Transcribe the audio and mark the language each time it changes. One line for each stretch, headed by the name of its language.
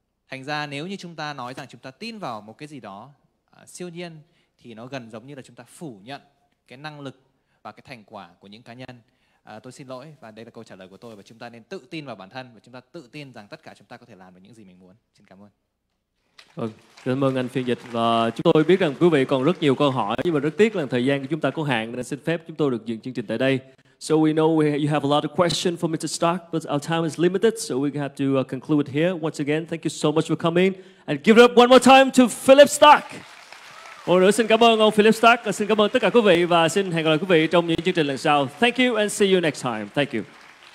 Vietnamese: Thành ra nếu như chúng ta nói rằng chúng ta tin vào một cái gì đó siêu nhiên thì nó gần giống như là chúng ta phủ nhận cái năng lực và cái thành quả của những cá nhân. Tôi xin lỗi và đây là câu trả lời của tôi và chúng ta nên tự tin vào bản thân và chúng ta tự tin rằng tất cả chúng ta có thể làm được những gì mình muốn. Xin cảm ơn. Vâng, cảm ơn anh phiên dịch và chúng tôi biết rằng quý vị còn rất nhiều câu hỏi nhưng mà rất tiếc là thời gian của chúng ta có hạn nên xin phép chúng tôi được dừng chương trình tại đây.
English: So we know you have a lot of questions for Mr. Starck, but our time is limited, so we have to conclude here. Once again, thank you so much for coming and give it up one more time to Philippe Starck.
Vietnamese: Một nữa xin cảm ơn ông Philippe Starck, xin cảm ơn tất cả quý vị và xin hẹn gặp lại quý vị trong những chương trình lần sau.
English: Thank you and see you next time. Thank you.